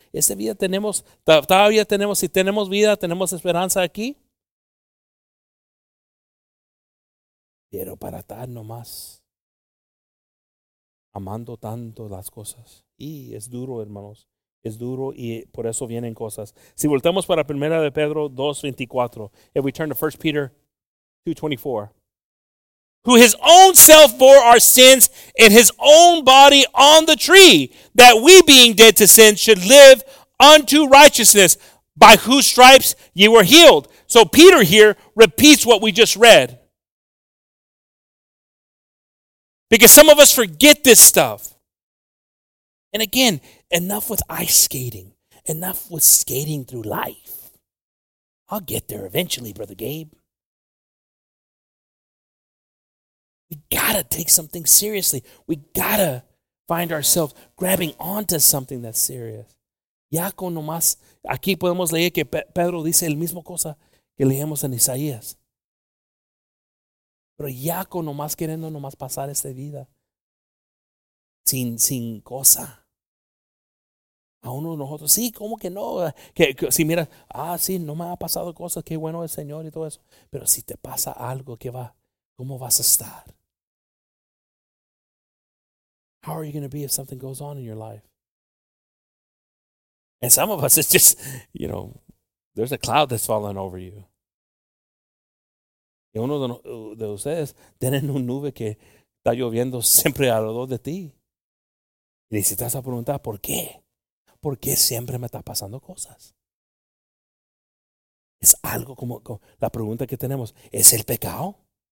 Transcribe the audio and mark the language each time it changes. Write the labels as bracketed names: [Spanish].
[Spanish] Esta vida tenemos, todavía tenemos, si tenemos vida, tenemos esperanza aquí. Pero para estar nomás amando tanto las cosas. Y es duro, hermanos. Es duro y por eso vienen cosas. Si voltamos para Primera de Pedro 2:24, [English] if we turn to 1 Peter 2:24, who his own self bore our sins in his own body on the tree, that we being dead to sin should live unto righteousness, by whose stripes ye were healed. So Peter here repeats what we just read. Because some of us forget this stuff. And again, enough with ice skating. Enough with skating through life. I'll get there eventually, Brother Gabe. We gotta take something seriously. We gotta find ourselves grabbing onto something that's serious. [Spanish] Ya con nomás, aquí podemos leer que Pedro dice el mismo cosa que leemos en Isaías. Pero ya con nomás queriendo nomás pasar esta vida sin cosa. A uno de nosotros, sí, ¿cómo que no? Que si miras, ah, sí, no me ha pasado cosas, qué bueno el Señor y todo eso. Pero si te pasa algo, ¿qué va? ¿Cómo vas a estar? [English] How are you going to be if something goes on in your life? And some of us, it's just, you know, there's a cloud that's falling over you. [Spanish] Y uno de ustedes tienen una nube que está lloviendo siempre alrededor de ti. Y si estás a preguntar, ¿por qué? ¿Por qué siempre me está pasando cosas? Es algo como la pregunta que tenemos, ¿es el pecado?